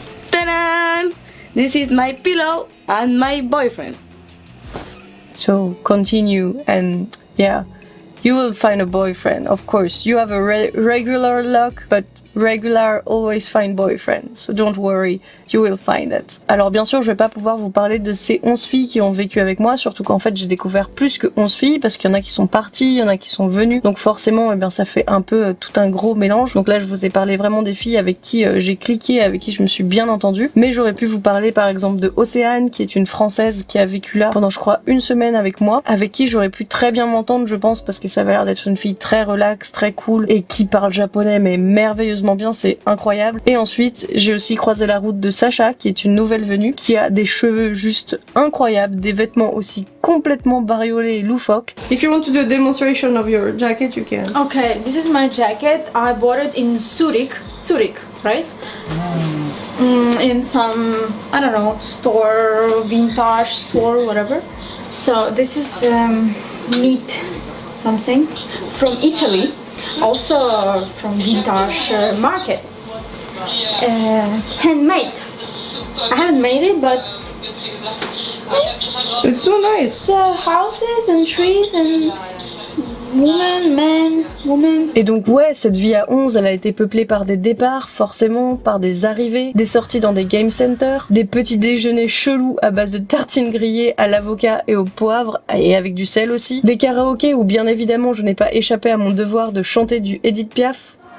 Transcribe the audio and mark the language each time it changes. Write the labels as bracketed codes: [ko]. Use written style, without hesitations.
[en] Ta-da! This is my pillow and my boyfriend. So continue, and yeah, you will find a boyfriend, of course. You have a regular luck, but regular always find boyfriend. So don't worry, you will find it. [fr] Alors bien sûr, je vais pas pouvoir vous parler de ces 11 filles qui ont vécu avec moi, surtout qu'en fait j'ai découvert plus que 11 filles, parce qu'il y en a qui sont parties, il y en a qui sont venues, donc forcément eh bien ça fait un peu tout un gros mélange. Donc là je vous ai parlé vraiment des filles avec qui j'ai cliqué, avec qui je me suis bien entendue, mais j'aurais pu vous parler par exemple de Océane, qui est une française qui a vécu là pendant je crois une semaine avec moi, avec qui j'aurais pu très bien m'entendre je pense, parce que ça avait l'air d'être une fille très relaxe, très cool, et qui parle japonais mais merveilleusement bien, c'est incroyable. Et ensuite j'ai aussi croisé la route de Sacha, qui est une nouvelle venue, qui a des cheveux juste incroyables, des vêtements aussi complètement bariolés et loufoques. [en] If you want to do a demonstration of your jacket, you can. Okay, this is my jacket. I bought it in Zurich. Zurich, right? In some, I don't know, store, vintage store, whatever. So this is knit something from Italy, also from vintage market. Handmade. I haven't made it, but it's so nice. The houses and trees and women, men, women. [fr] Et donc ouais, cette vie à 11, elle a été peuplée par des départs, forcément, par des arrivées, des sorties dans des game centers, des petits déjeuners chelous à base de tartines grillées à l'avocat et au poivre, et avec du sel aussi, des karaokés où bien évidemment je n'ai pas échappé à mon devoir de chanter du Edith Piaf.